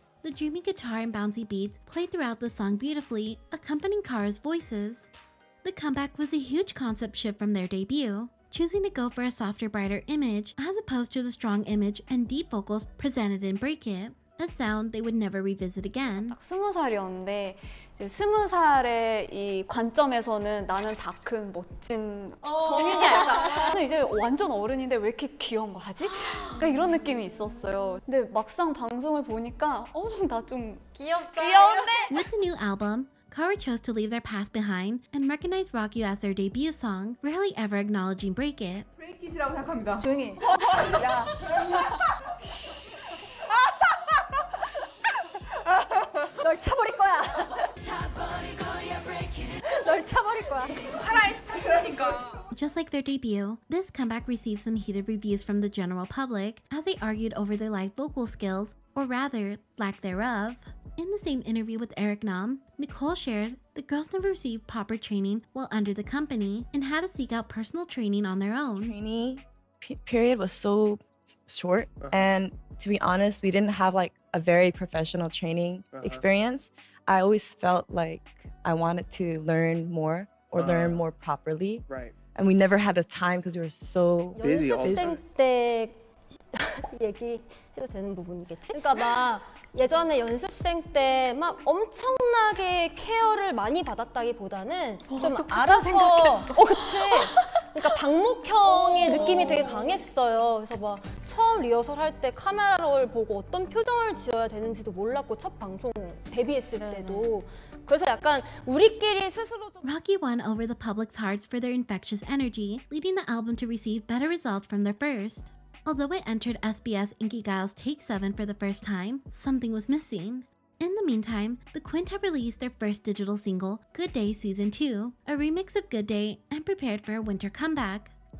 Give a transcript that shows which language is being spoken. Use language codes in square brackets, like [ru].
[en] The dreamy guitar and bouncy beats play throughout the song beautifully, accompanying Kara's voices. The comeback was a huge concept shift from their debut, choosing to go for a softer, brighter image as opposed to the strong image and deep vocals presented in Break It. A sound they would never revisit again. [ko] 딱 스무 살이었는데 이제 스무 살의 이 관점에서는 나는 다 큰 멋진 성인이 아니다. 나는 이제 완전 어른인데 왜 이렇게 귀여운 거지? 그러니까 이런 느낌이 있었어요. 근데 막상 방송을 보니까 나 좀 귀엽다. 귀여운데? [en] With the new album, Kara chose to leave their past behind and recognize Rock You as their debut song, rarely ever acknowledging Break It. [ko] Break It이라고 생각합니다. 조용히. 야. [en] Just like their debut, this comeback received some heated reviews from the general public as they argued over their live vocal skills, or rather, lack thereof. In the same interview with Eric Nam, Nicole shared the girls never received proper training while under the company and had to seek out personal training on their own. Training period was so short and to be honest, we didn't have like a very professional training experience. I always felt like I wanted to learn more or learn more properly. Right. And we never had the time because we were so busy all the time. [ko] 연습생 때 얘기해도 되는 부분이겠지? 그러니까 막 예전에 연습생 때 막 엄청나게 케어를 많이 받았다기보다는 좀 알아서 그치? 그러니까 박목형의 느낌이 되게 강했어요. 그래서 막 처음 리허설 할 때 카메라를 보고 어떤 표정을 지어야 되는지도 몰랐고 첫 방송 데뷔했을 때도 그래서 약간 우리끼리 스스로 좀 [en] Rocky won over the public's hearts for their infectious energy, leading the album to receive better results from their first. Although it entered SBS Inkigayo's Take 7 for the first time, something was missing. In the meantime, the Quint had released their first digital single, Good Day Season 2, a remix of Good Day, and prepared for a winter comeback.